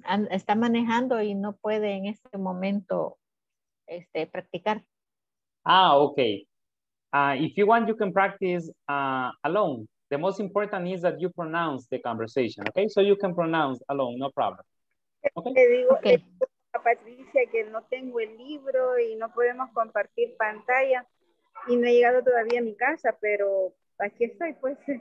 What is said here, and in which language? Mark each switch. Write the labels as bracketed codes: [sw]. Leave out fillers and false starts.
[es] está manejando y no puede en este momento practicar. [en] Ah, okay. If you want, you can practice alone. The most important is that you pronounce the conversation, okay? So you can pronounce alone, no problem. Okay. [es] Le digo a Patricia que no tengo el libro y no podemos compartir pantalla y no he llegado todavía a mi casa, pero aquí estoy, pues.